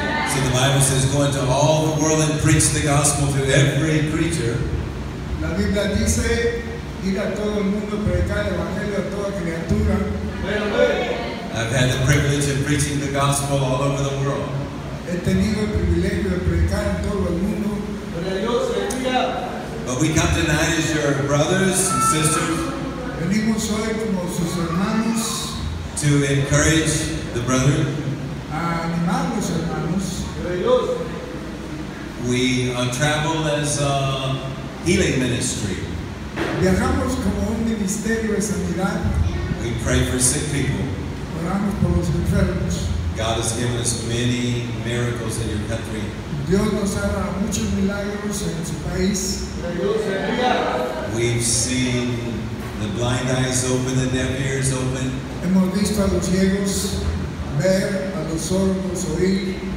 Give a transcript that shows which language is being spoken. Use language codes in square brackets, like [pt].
[en] So the Bible says, go into all the world and preach the gospel to every creature. [es] La Biblia dice, ir a todo el mundo a predicar el evangelio a toda criatura. [en] I've had the privilege of preaching the gospel all over the world. [es] He tenido el privilegio de predicar en todo el mundo. [en] But we come tonight as your brothers and sisters. [es] Venimos hoy como sus hermanos. [en] To encourage the brother. [es] A animar los hermanos. [en] We travel as a healing ministry. [es] Viajamos como un ministerio de sanidad. [en] We pray for sick people. [es] Oramos por los enfermos. [en] God has given us many miracles in your country. [es] Dios nos ha dado muchos milagros en su país. [en] We've seen the blind eyes open, the deaf ears open. [es] Hemos visto a los ciegos ver, a los sordos oír.